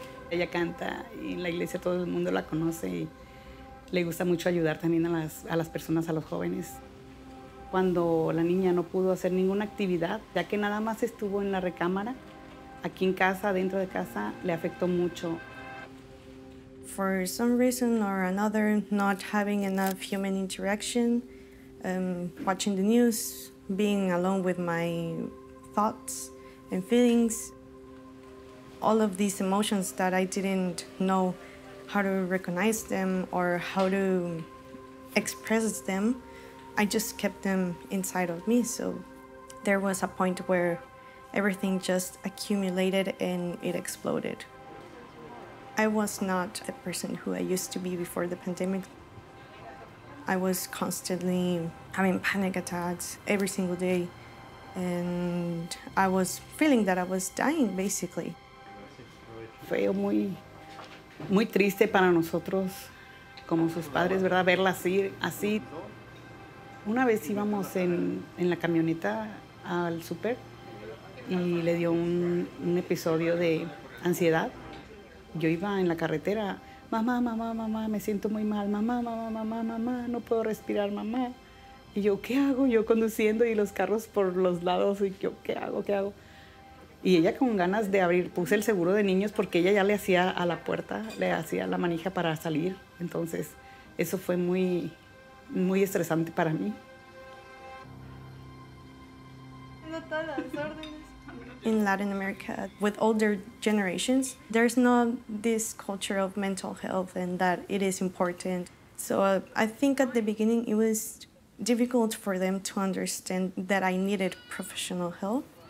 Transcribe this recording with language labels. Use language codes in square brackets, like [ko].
[es] Ella canta y en la iglesia todo el mundo la conoce y le gusta mucho ayudar también a las personas, a los jóvenes. Cuando la niña no pudo hacer ninguna actividad, ya que nada más estuvo en la recámara, aquí en casa, dentro de casa, le afectó mucho. [en] For some reason or another, not having enough human interaction, watching the news, being alone with my thoughts and feelings, all of these emotions that I didn't know how to recognize them or how to express them, I just kept them inside of me. So there was a point where everything just accumulated and it exploded. I was not the person who I used to be before the pandemic. I was constantly having panic attacks every single day. And I was feeling that I was dying, basically. [es] Fue muy, muy triste para nosotros, como sus padres, ¿verdad? Verla así, así. Una vez íbamos en la camioneta al súper y le dio un episodio de ansiedad. Yo iba en la carretera. Mamá, mamá, mamá, me siento muy mal. Mamá, mamá, mamá, mamá, no puedo respirar, mamá. Y yo, ¿qué hago? Yo conduciendo y los carros por los lados. Y yo, ¿qué hago? ¿Qué hago? Y ella con ganas de abrir, puse el seguro de niños porque ella ya le hacía a la puerta, le hacía la manija para salir. Entonces, eso fue muy, muy estresante para mí. [en] In Latin America, with older generations, there's not this culture of mental health and that it is important. So I think at the beginning, it was difficult for them to understand that I needed professional help.